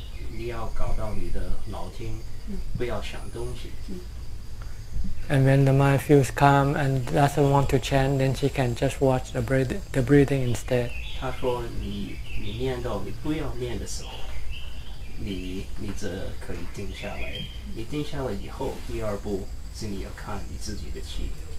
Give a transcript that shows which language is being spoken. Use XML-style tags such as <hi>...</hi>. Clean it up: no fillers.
<zh>你要搞到你的脑筋不要想东西。</zh> <en>And when the mind feels calm and doesn't want to chant, then she can just watch the breathing instead.</en> <zh>他说你念到你不要念的时候，你则可以定下来。你定下来以后，第二步是你要看你自己的气。</zh>